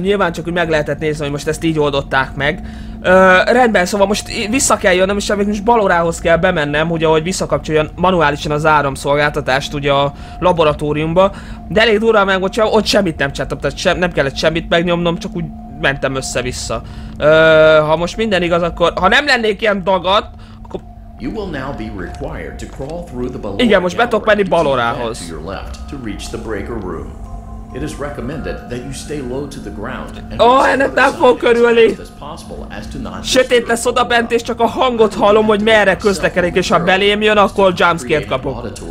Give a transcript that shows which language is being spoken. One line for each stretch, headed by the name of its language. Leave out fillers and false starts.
Hungarian: Nyilván csak, hogy meg lehetett nézni, hogy most ezt így oldották meg. Rendben, szóval most vissza kell jönnöm, és amikor most Ballorához kell bemennem, ugye, hogy visszakapcsoljon manuálisan az áramszolgáltatást ugye a laboratóriumba. De elég durva, mert ott semmit nem csináltam, tehát nem kellett semmit megnyomnom, csak úgy mentem össze-vissza. Ha most minden igaz, akkor... Ha nem lennék ilyen dagadt, akkor...
English: You will now be required to crawl through the
Hungarian: Ballora. Igen, most betok menni Ballorához.
English: To your left to reach the breaker room. It is recommended that you stay low to the ground
Hungarian: and ennek nem fog körülni. Sötét lesz oda bent, és csak a hangot hallom, hogy merre közlekedik, és ha belém jön, akkor jumpscare-t kapok.